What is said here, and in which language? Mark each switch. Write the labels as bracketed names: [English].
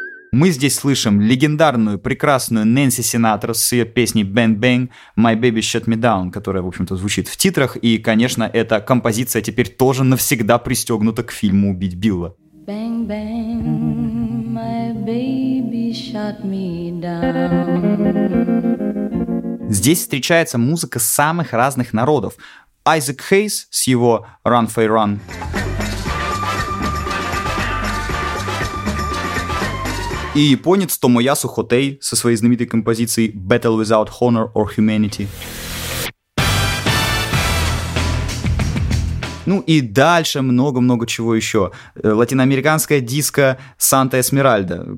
[Russian] Мы здесь слышим легендарную, прекрасную Нэнси Синатра с ее песней «Bang Bang, My Baby Shut Me Down», которая, в общем-то, звучит в титрах, и, конечно, эта композиция теперь тоже навсегда пристегнута к фильму «Убить Билла». [English] Bang, bang, my baby shut me down. [Russian] Здесь встречается музыка самых разных народов. Isaac Hayes с его «Run, Faye, Run». И японец Томоясу Хотей со своей знаменитой композицией «Battle Without Honor or Humanity». Ну и дальше много-много чего еще. Латиноамериканская диско «Санта Эсмеральда».